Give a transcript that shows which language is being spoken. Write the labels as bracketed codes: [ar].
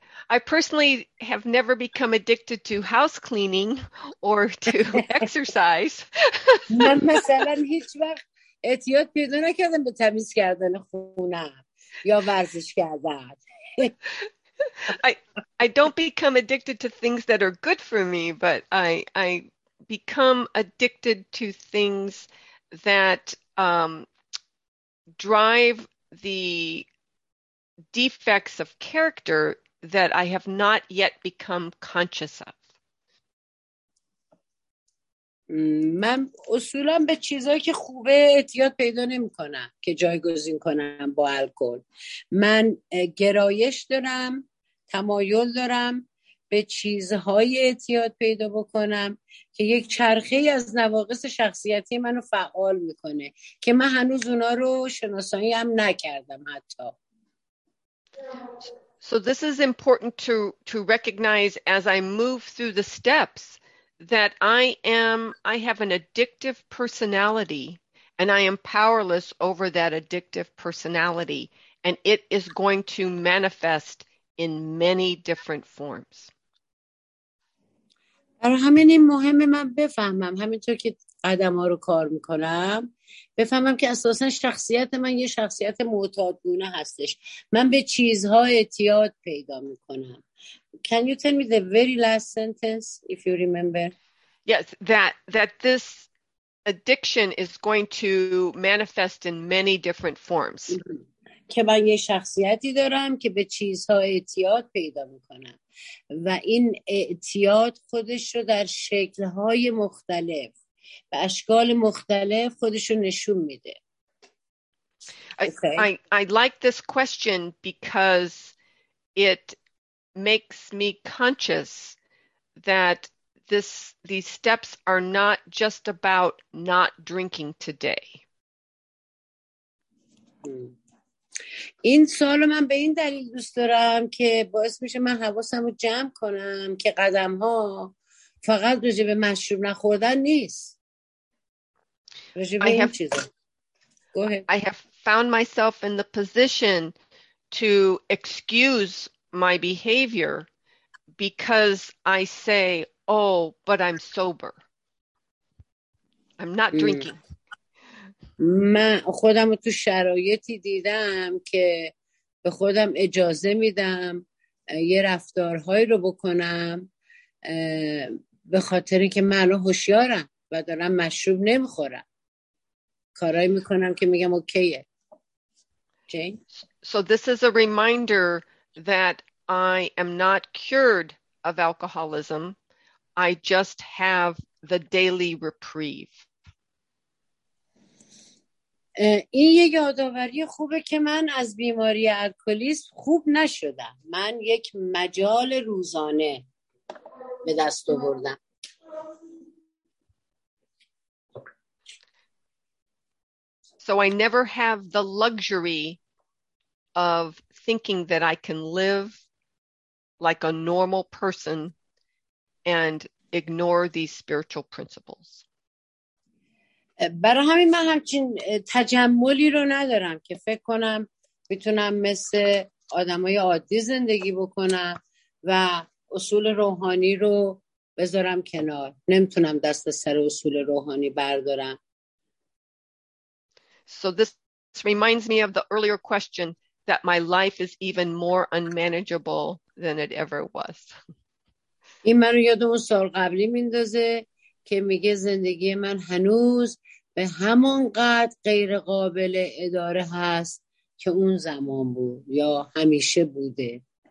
[en] I personally have never become addicted to house cleaning or to exercise. [fa] من مثلا هیچ وقت اعتیاد پیدا نکردم به تمیز کردن خونم یا ورزش کردن. [en] I don't become addicted to things that are good for me, but I become addicted to things that drive the defects of character that I have not yet become conscious of. [fa] من اصولا به چیزایی که خوبه اعتیاد پیدا نمی‌کنم که جایگزین کنم با الکل. من گرایش دارم، تمایل دارم به چیزهای اعتیاد پیدا بکنم که یک چرخه‌ای از نواقص شخصیتی منو فعال می‌کنه که من هنوز اونا رو شناسایی هم نکردم حتی. [en] So this is important to recognize as I move through the steps that I have an addictive personality And I am powerless over that addictive personality, and it is going to manifest in many different forms. [fa] برای همین این مهمه من بفهمم همینطور که قدم ها رو کار میکنم بفهمم که اساسا شخصیت من یه شخصیت معتادگونه هستش. من به چیزها اعتیاد پیدا میکنم. [en] Can you tell me the very last sentence if you remember? Yes, that this addiction is going to manifest in many different forms. [fa] که من یه شخصیتی دارم که به چیزها اعتیاد پیدا میکنم و این اعتیاد خودش رو در شکل‌های مختلف به اشکال مختلف خودش رو نشون میده. [en] I like this question because it makes me conscious that these steps are not just about not drinking today. [fa] این سوال من به این دلیل دوست دارم که باعث میشه من حواسم رو جمع کنم که قدم ها فقط راجع به مشروب نخوردن نیست. راجع به این چیزا. [en] Go ahead. I have found myself in the position to excuse my behavior because I say, oh, but I'm sober. I'm not drinking. [fa] من خودم رو تو شرایطی دیدم که به خودم اجازه میدم یه رفتارهایی رو بکنم به خاطر اینکه من رو هوشیارم و دارم مشروب نمیخورم کارهایی میکنم که میگم اوکیه. جین؟ [en] So this is a reminder that I am not cured of alcoholism. I just have the daily reprieve. [fa] این یه یادآوری خوبه که من از بیماری الکلیسم خوب نشدم. من یک مجال روزانه به دست آوردم. [en] So I never have the luxury of thinking that I can live like a normal person and ignore these spiritual principles. [fa] برای همین من همچین تجملی رو ندارم که فکر کنم میتونم مثل آدمای عادی زندگی بکنم و اصول روحانی رو بذارم کنار. نمیتونم دست از سر اصول روحانی بردارم. [en] So this reminds me of the earlier question that my life is even more unmanageable than it ever was. [fa] این من رو یاد اون سال قبلی میندازه که میگه زندگی من هنوز به همون قد غیر قابل اداره هست که اون زمان بود یا همیشه بوده.